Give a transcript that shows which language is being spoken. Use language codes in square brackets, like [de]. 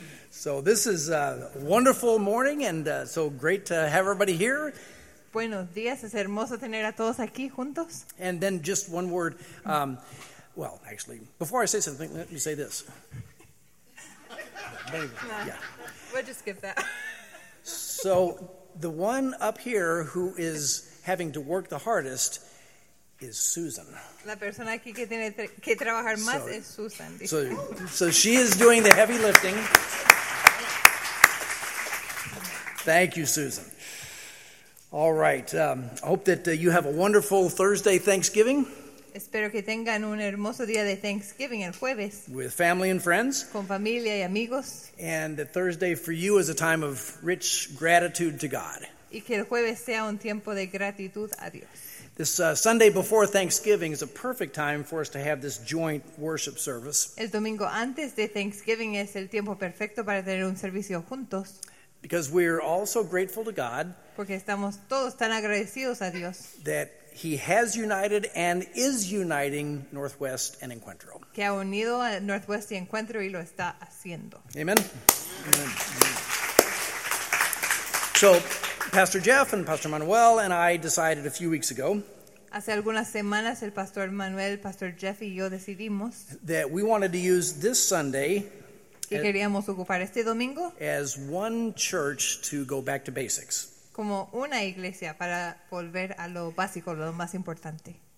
[en] So this is a wonderful morning, and so great to have everybody here. [es] Buenos días, es hermoso tener a todos aquí juntos. [en] And then just one word. Well, actually, before I say something, let me say this. We'll just skip that. So the one up here who is having to work the hardest is Susan. La persona aquí que tiene que trabajar más es Susan. So she is doing the heavy lifting. Thank you, Susan. All right. I hope that you have a wonderful Thursday Thanksgiving. [es] Espero que tengan un hermoso día de Thanksgiving el jueves. [en] With family and friends. [es] Con familia y amigos. [en] And that Thursday for you is a time of rich gratitude to God. [es] Y que el jueves sea un tiempo de gratitud a Dios. [en] This Sunday before Thanksgiving is a perfect time for us to have this joint worship service. [es] El domingo antes de Thanksgiving es el tiempo perfecto para tener un servicio juntos. [en] Because we're all so grateful to God. [es] Porque estamos todos tan agradecidos a Dios. [en] That He has united and is uniting Northwest and Encuentro. [es] Que ha unido a Northwest y Encuentro y lo está haciendo. [en] Amen. Amen. Amen. So, Pastor Jeff and Pastor Manuel and I decided a few weeks ago. [es] Hace algunas semanas el Pastor Manuel, Pastor Jeff y yo decidimos [en] that we wanted to use this Sunday [es] que queríamos ocupar este domingo [en] as one church to go back to basics. [es] Como una iglesia para volver a lo básico, lo más importante.